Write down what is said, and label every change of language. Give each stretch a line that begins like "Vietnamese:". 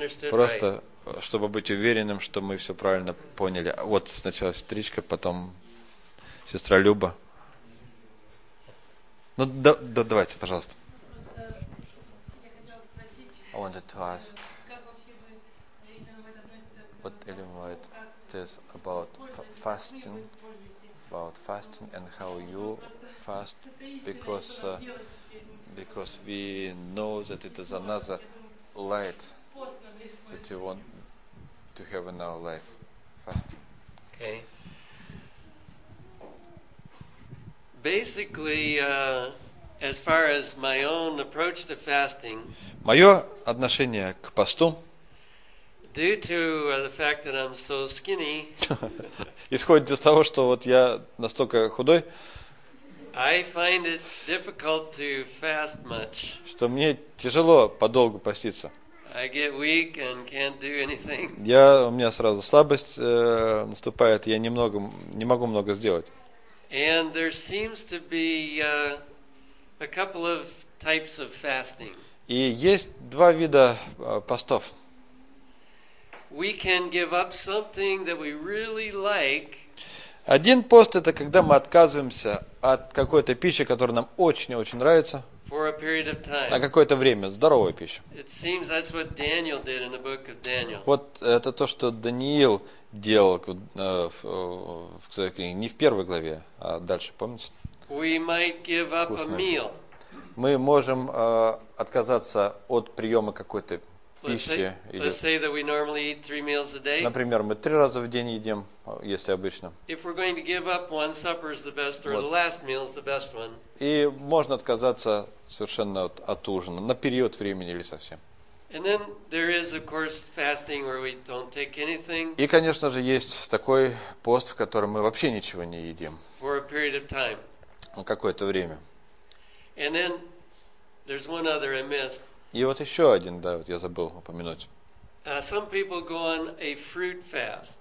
Russian: Просто, чтобы быть уверенным, что мы все правильно поняли. Вот сначала сестричка, потом сестра Люба. Ну, да, давайте, пожалуйста.
English: I wanted to ask, what Ellen White says about fasting and how you fast, because we know that it is another light that you want to have in our life, fasting. Okay. Basically, as far as my own approach to fasting,
Russian: моё отношение к посту,
English: due to the fact that I'm so skinny,
Russian: исходит из того, что вот я настолько худой,
English: I find it difficult to fast much.
Russian: Что мне тяжело подолгу поститься.
English: I get weak and can't do anything.
Russian: У меня сразу слабость наступает, я не могу много сделать.
English: And there seems to be a couple of types of fasting.
Russian: И есть два вида постов.
English: We can give up something that we really like.
Russian: Один пост – это когда мы отказываемся от какой-то пищи, которая нам очень-очень нравится.
English: For a period of time.
Russian: На какое-то время. Здоровая пища.
English: It seems that's what Daniel did in the book of Daniel.
Russian: Вот это то, что Даниил делал не в первой главе, а дальше, помните?
English: We might give up a meal.
Russian: Мы можем отказаться от приема какой-то пищи.
English: Let's say that we normally eat three meals a day.
Russian: Например, мы три раза в день едим, если обычно.
English: If we're going to give up one supper is the best, or the last meal is the best one.
Russian: И можно отказаться совершенно от ужина на период времени или совсем.
English: And then there is, of course, fasting where we don't take anything.
Russian: И, конечно же, есть такой пост, в котором мы вообще ничего не едим.
English: For a period of time.
Russian: На какое-то время.
English: And then there's one other I missed.
Russian: И вот еще один, да, вот я забыл упомянуть.
English: Some people go on a fruit fast.